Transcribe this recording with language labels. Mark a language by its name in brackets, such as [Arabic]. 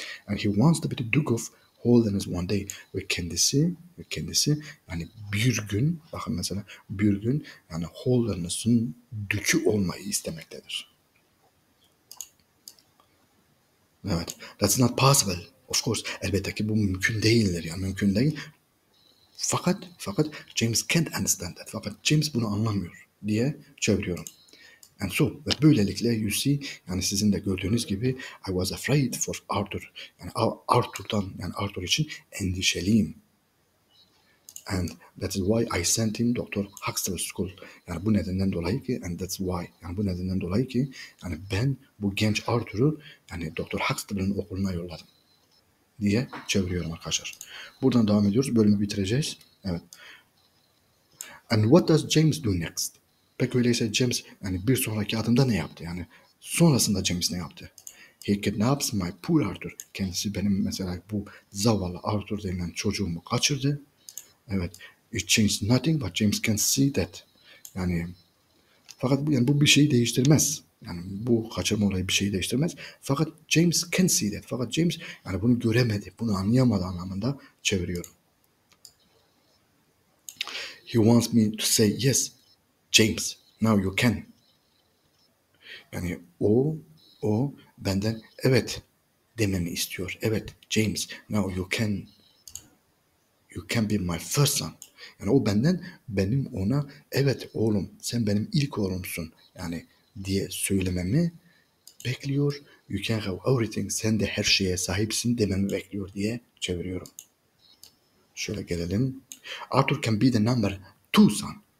[English] And he wants to be the Duke of Holderness one day. [Turkish] Ve kendisi yani bir gün bakın mesela bir gün yani Holderness'ın dükü olmayı istemektedir. Evet. [English] That's not possible. Of course. [Turkish] Elbette ki bu mümkün değildir. Yani mümkün değil. Fakat James [English] can't understand that. [Turkish] Fakat James bunu anlamıyor diye çeviriyorum. [English] And so, [Turkish] ve böylelikle [English] you see, [Turkish] yani sizin de gördüğünüz gibi [English] I was afraid for Arthur. [Turkish] Yani Arthur'dan, yani Arthur için endişeliyim. [English] And that is why I sent him Dr. [Turkish] Huxtable School. Yani bu nedenden dolayı ki, [English] and that's why. [Turkish] Yani bu nedenden dolayı ki, yani ben bu genç Arthur'u, yani Dr. Huxtable'ın okuluna yolladım. Diye çeviriyorum arkadaşlar. Buradan devam ediyoruz. Bölümü bitireceğiz. Evet. [English] And what does James do next? [Turkish] Peki öyleyse James yani bir sonraki adımda ne yaptı? Yani sonrasında James ne yaptı? [English] He kidnaps my poor Arthur. [Turkish] Kendisi benim mesela bu zavallı Arthur denilen çocuğumu kaçırdı. Evet. [English] It changed nothing but James can see that. [Turkish] Yani fakat yani bu bir şeyi değiştirmez. Yani bu kaçırma olayı bir şeyi değiştirmez. Fakat James [English] can see that. [Turkish] Fakat James yani bunu göremedi. Bunu anlayamadı anlamında çeviriyorum. [English] He wants me to say yes. James, now you can. [Turkish] Yani o benden evet dememi istiyor. [English] Evet, James, now you can be my first son. [Turkish] Yani o benden benim ona evet oğlum sen benim ilk oğlumsun. Yani diye söylememi bekliyor. [English] You can have everything. [Turkish] Sen de her şeye sahipsin dememi bekliyor diye çeviriyorum. Şöyle gelelim. [English] Arthur can be the number two son.